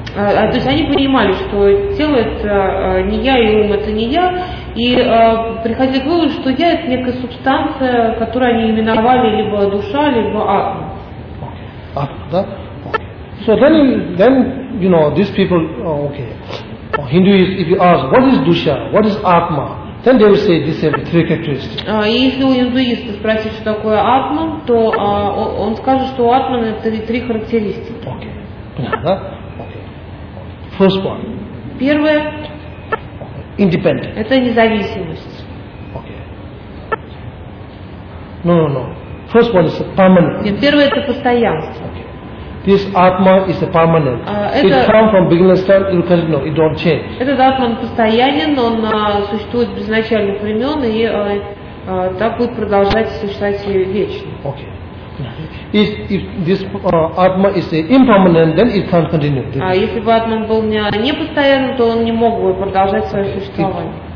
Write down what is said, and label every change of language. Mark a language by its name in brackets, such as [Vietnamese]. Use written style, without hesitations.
[Russian] То есть они понимали, что тело это не я и ум это не я, и приходили к выводу, что я это некая субстанция, которую они именовали либо душа, либо атма. Атма, okay. [English] So then you know these people, Hinduists, if you ask what is душа, what is атма, then they will say these are three characteristics. [Russian] И если у индуиста спросить, что такое атма, то он скажет, что у атмы это три характеристики. [English] Okay. Да? First one. [Russian] Первое. [English] Independent. [Russian] Это независимость. [English] Okay. No. First one is permanent. [Russian] Нет, первое это постоянство. [English] Okay. This Atma is a permanent. It comes from beginning start, it will continue, it don't change. [Russian] Этот Атман постоянен, он существует без начальных времен и так будет продолжать существовать вечно. [English] Okay. If this Atma is impermanent, then it can't continue. [Russian] А если бы Атман был не постоянным, то он не мог бы продолжать свое существование.